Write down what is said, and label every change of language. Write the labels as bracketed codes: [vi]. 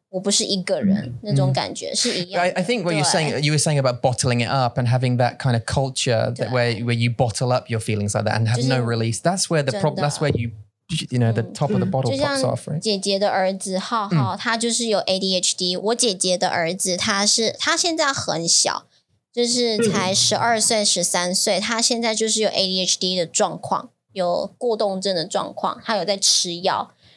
[zh] 我不是一个人那种感觉是一样的。 [en] I think what you're saying, you were saying about bottling it up and having that kind of culture that where you bottle up your feelings like that and have no release. That's where the problem, that's where you know, the top of the bottle pops off, right? [zh] 就像姐姐的儿子浩浩，他就是有 ADHD。我姐姐的儿子他现在很小，就是才12岁、13岁，他现在就是有 ADHD 的状况，有过动症的状况，他有在吃药。